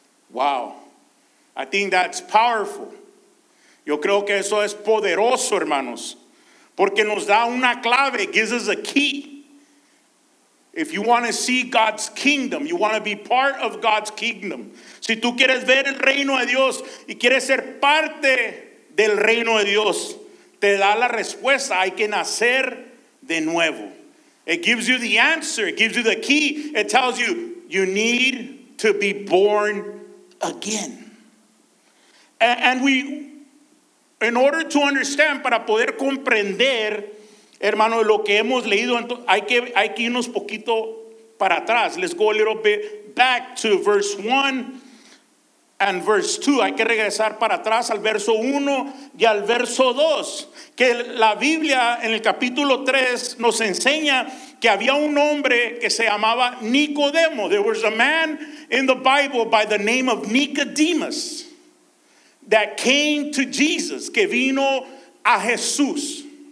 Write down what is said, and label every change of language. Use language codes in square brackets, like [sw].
[es] Wow. [en] I think that's powerful. [es] Yo creo que eso es poderoso, hermanos. Porque nos da una clave. [en] It gives us a key. If you want to see God's kingdom, you want to be part of God's kingdom. [es] Si tú quieres ver el reino de Dios y quieres ser parte del reino de Dios, te da la respuesta. Hay que nacer de nuevo. [en] It gives you the answer. It gives you the key. It tells you, you need to be born again. And we, in order to understand, [es] para poder comprender, hermano, lo que hemos leído, hay que irnos poquito para atrás. [en] Let's go a little bit back to verse 1. And verse 2, [es] hay que regresar para atrás al verso 1 y al verso 2. Que la Biblia en el capítulo 3 nos enseña que había un hombre que se llamaba Nicodemo. [en] There was a man in the Bible by the name of Nicodemus that came to Jesus, [es] que vino a Jesús.